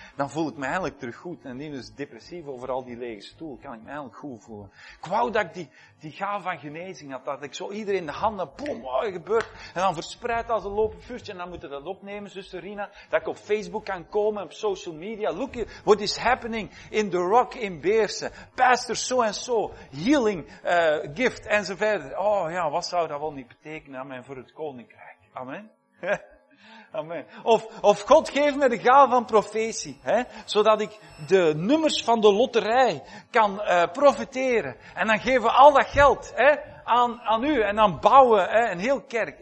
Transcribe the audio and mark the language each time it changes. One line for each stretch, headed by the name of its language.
Dutch: Dan voel ik me eigenlijk terug goed en niet eens depressief over al die lege stoel. Kan ik me eigenlijk goed voelen. Ik wou dat ik die gaaf van genezing had, dat ik zo iedereen de handen, boom, wat er gebeurt. En dan verspreid als een lopend vuurtje en dan moet je dat opnemen, zuster Rina. Dat ik op Facebook kan komen, op social media.
English: Look what is happening in The Rock in Beersen. Pastor so and so, healing, gift
Dutch: enzovoort. Oh ja, wat zou dat wel niet betekenen, amen, voor het koninkrijk. Amen. Amen. Of God geeft me de gave van profetie, hè, zodat ik de nummers van de loterij kan profeteren. En dan geven we al dat geld, hè, aan u en dan bouwen, hè, een heel kerk.